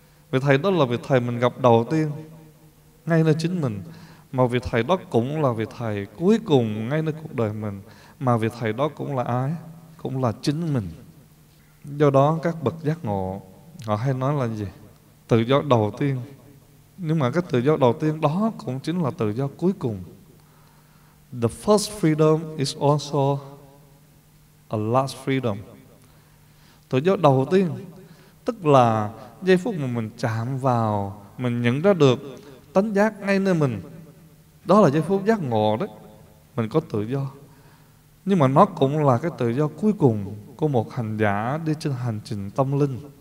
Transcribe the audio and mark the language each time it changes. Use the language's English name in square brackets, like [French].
[Vietnamese] Vị thầy đó là vị thầy mình gặp đầu tiên ngay nơi chính mình, mà vị thầy đó cũng là vị thầy cuối cùng ngay nơi cuộc đời mình, mà vị thầy đó cũng là ai? Cũng là chính mình. Do đó các bậc giác ngộ họ hay nói là gì? Tự do đầu tiên. Nhưng mà cái tự do đầu tiên đó cũng chính là tự do cuối cùng. [English] The first freedom is also a last freedom. [Vietnamese] Tự do đầu tiên tức là giây phút mà mình chạm vào, mình nhận ra được tánh giác ngay nơi mình, đó là giây phút giác ngộ đấy, mình có tự do. Nhưng mà nó cũng là cái tự do cuối cùng của một hành giả đi trên hành trình tâm linh.